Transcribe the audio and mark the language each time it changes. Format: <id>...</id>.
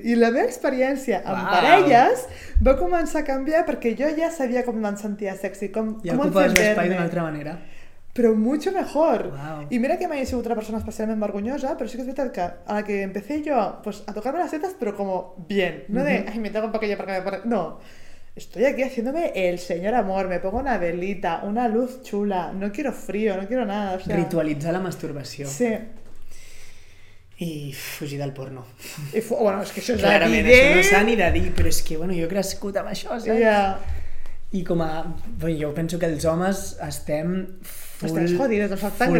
<ca>I la meva experiència amb parelles va començar a canviar perquè jo ja sabia com me'n sentia sexy, com encender-me. I ocupes l'espai d'una altra manera.</ca> <es>Però mucho mejor.</es> <ca>I mira que mai he sigut una persona especialment vergonyosa, però sí que és veritat que a la que empecé jo pues, a tocar-me les tetes, però</ca> <es>como bien. No de, ay, me tengo un poquillo para que me pare... No. Estoy aquí haciéndome el señor amor, me pongo una velita, una luz chula, no quiero frío, no quiero nada. O sea...</es> <ca>Ritualitzar la masturbació. Sí. I fugir del porno. I bueno, és que això és evident. Clarament, això no s'ha ni de dir, però és que bueno, jo he crescut amb això, saps? Yeah. I com a... Bueno, jo penso que els homes estem full... Estàs jodidos, no saps tan full</ca>